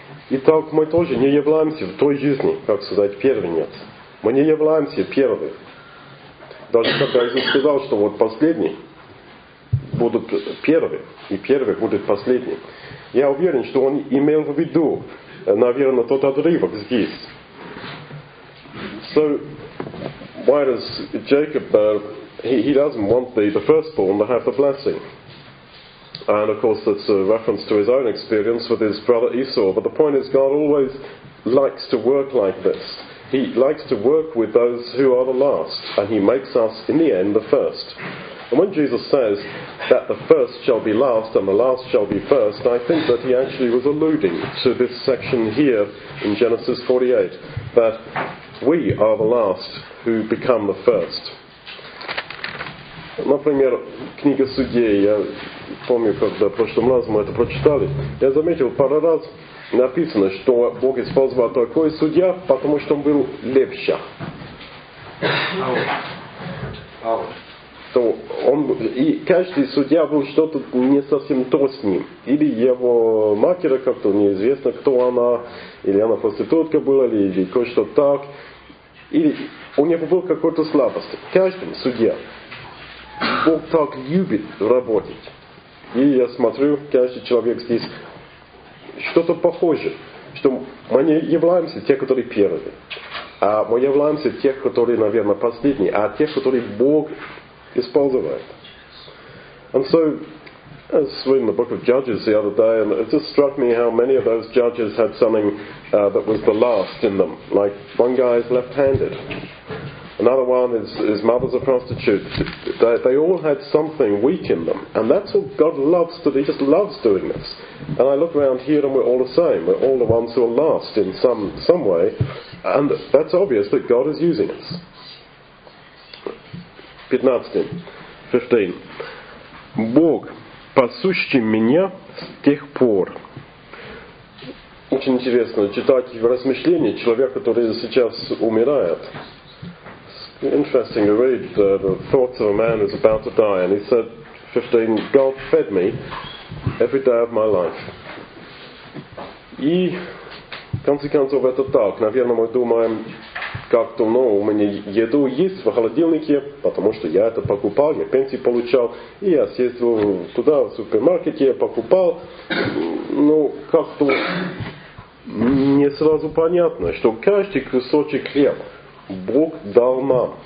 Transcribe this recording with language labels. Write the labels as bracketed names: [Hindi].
[Russian] Итак, мы тоже не являемся в той жизни, как сказать, первенец. Мы не являемся первым. Даже когда Иисус сказал, что последний будут первым, и первый будет последним. Я уверен, что он имел в виду, наверное, тот отрывок здесь. [English] So, why does Jacob, he doesn't want the firstborn to have the blessing? And, of course, that's a reference to his own experience with his brother Esau. But the point is, God always likes to work like this. He likes to work with those who are the last, and he makes us, in the end, the first. And when Jesus says that the first shall be last and the last shall be first, I think that he actually was alluding to this section here in Genesis 48, that we are the last who become the first. [Russian] Например, книга Судей, я помню, когда в прошлом разу мы это прочитали, я заметил, пару раз написано, что Бог использовал такой судья, потому что он был лепща. То он, и каждый судья был что-то не совсем то с ним. Или его матери как-то неизвестно, кто она, или она проститутка была, или кое-что так. Или у него был какой-то слабость. Каждый судья. Бог так любит работать. И я смотрю, каждый человек здесь что-то похоже, что мы не являемся те, которые первые. А мы являемся те, которые, наверное, последние. А те, которые Бог использовать. [English] And so, I was reading the book of Judges the other day, and it just struck me how many of those judges had something that was the last in them. Like, one guy is left-handed. Another one is mothers of prostitutes. They all had something weak in them. And that's what God loves to do. He just loves doing this. And I look around here and we're all the same. We're all the ones who are last in some way. And that's obvious that God is using us. 15. [Russian] Бог пасущий меня с тех пор. Очень интересно читать в размышлении человека, который сейчас умирает. [English] Interesting to read the thoughts of a man who's about to die, and he said, 15, God fed me every day of my life. [Russian] И в конце концов это так. Наверное, мы думаем, как-то, ну, у меня еду есть в холодильнике, потому что я это покупал, я пенсию получал, и я съездил туда, в супермаркете, я покупал. Ну, как-то не сразу понятно, что каждый кусочек хлеба Бог дал нам.